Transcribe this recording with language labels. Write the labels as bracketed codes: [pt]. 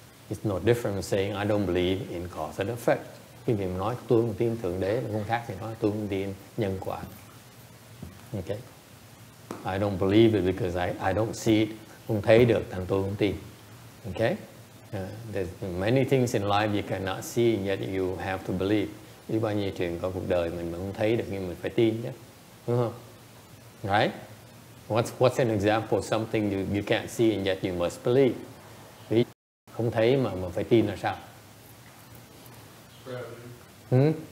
[en] It's no different from saying I don't believe in cause and effect. [vi] Khi mình nói tôi không tin Thượng Đế là không khác thì nói tôi không tin nhân quả. [en] Okay? I don't believe it because I don't see it. [vi] Không thấy được thành tôi không tin. [en] Okay? There's many things in life you cannot see and yet you have to believe. [vi] Biết bao nhiêu chuyện có cuộc đời mình không thấy được nhưng mình phải tin chứ. [en] Uh-huh. Right? What's an example of something you can't see and yet you must believe? [vi] Không thấy mà phải tin là sao? [en] Gravity. Hmm?